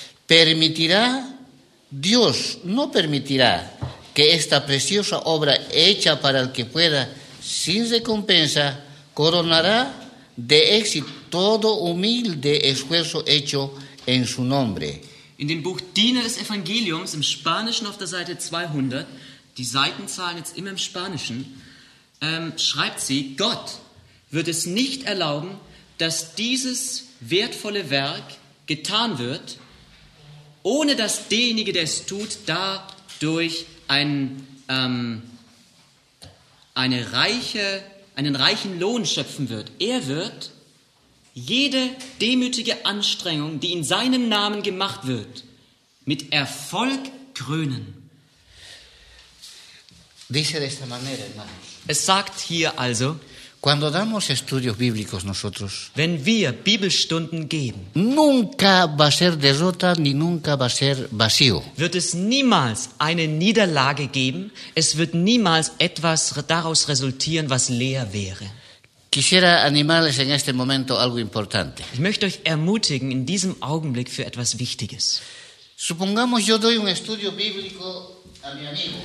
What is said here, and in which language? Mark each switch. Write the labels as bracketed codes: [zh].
[es] permitirá, Dios no permitirá que esta preciosa obra hecha para el que pueda, sin recompensa, coronará de éxito todo humilde esfuerzo hecho en su nombre. [de] In dem Buch Diener des Evangeliums, im Spanischen auf der Seite 200, die Seitenzahlen jetzt immer im Spanischen, schreibt sie, Gott wird es nicht erlauben, dass dieses wertvolle Werk getan wird, ohne dass derjenige, der es tut, dadurch einen reichen Lohn schöpfen wird. Er wird jede demütige Anstrengung, die in seinem Namen gemacht wird, mit Erfolg krönen. [es] Dice de esta manera, hermanos. [de] Es sagt hier also, [es] cuando damos estudios bíblicos nosotros, [de] wenn wir Bibelstunden geben, [es] nunca va a ser derrota ni nunca va a ser vacío. [de] Wird es niemals eine Niederlage geben, es wird niemals etwas daraus resultieren, was leer wäre. [es] Quisiera animarles en este momento algo importante. [de] Ich möchte euch ermutigen in diesem Augenblick für etwas Wichtiges. [es] Supongamos yo doy un estudio bíblico a mi amigo.